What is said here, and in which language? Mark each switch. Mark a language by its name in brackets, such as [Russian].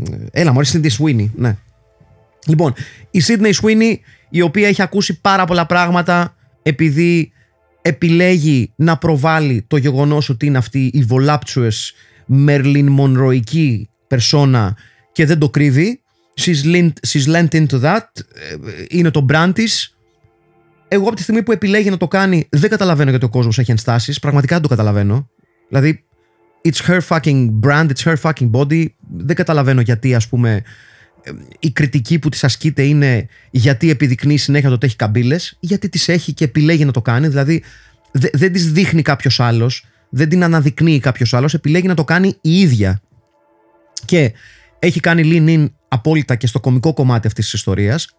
[Greek] Έλα μωρίς, είναι τη Sweeney, ναι. Λοιπόν, η Sydney Sweeney, η οποία έχει ακούσει πάρα πολλά πράγματα επειδή επιλέγει να προβάλλει το γεγονός ότι είναι αυτή η voluptuous Marilyn Monroe-ική περσόνα και δεν το κρύβει. [English] She's lent into that. [Greek] Είναι το brand της. Εγώ από τη στιγμή που επιλέγει να το κάνει, δεν καταλαβαίνω γιατί ο κόσμος έχει ενστάσεις. Πραγματικά δεν το καταλαβαίνω. Δηλαδή, [English] it's her fucking brand, it's her fucking body. [Greek] Δεν καταλαβαίνω γιατί, ας πούμε, η κριτική που της ασκείται είναι γιατί επιδεικνύει συνέχεια το ότι έχει καμπύλες. Γιατί τις έχει και επιλέγει να το κάνει. Δηλαδή, δεν τις δείχνει κάποιος άλλος. Δεν την αναδεικνύει κάποιος άλλος. Επιλέγει να το κάνει η ίδια. Και έχει κάνει lean in απόλυτα και στο κωμικό κομμάτι αυτής της ιστορίας.